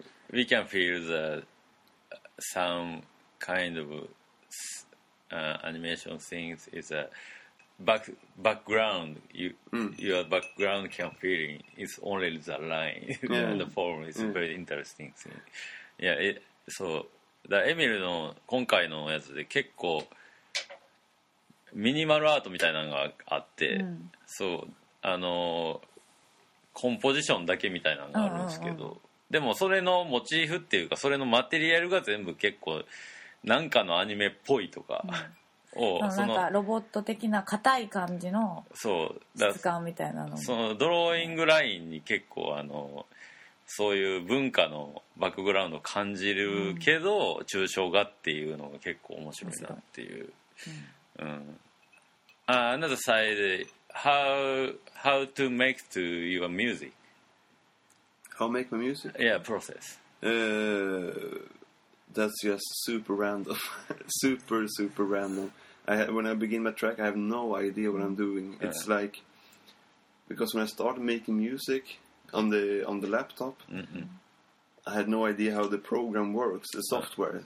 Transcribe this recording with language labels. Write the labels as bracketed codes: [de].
[en] We can feel the some kind of animation things is background, your background can feeling is only the line. The form is very interesting thing. Yeah, so the [ja] Emil の今回のやつで結構ミニマルアートみたいなのがあって、そうコンポジションだけみたいなのがあるんですけど、でもそれのモチーフっていうかそれのマテリアルが全部結構なんかのアニメっぽいとか、そのなんかロボット的な硬い感じの質感みたいなの、そのドローイングラインに結構そういう文化のバックグラウンドを感じるけど、抽象画っていうのが結構面白いなっていう。 [en] Another side, how to make to your music? How make my music? Yeah, process. That's just super random. Super, super random. When I begin my track, I have no idea what I'm doing. It's like, because when I started making music on the laptop, I had no idea how the program works, the software.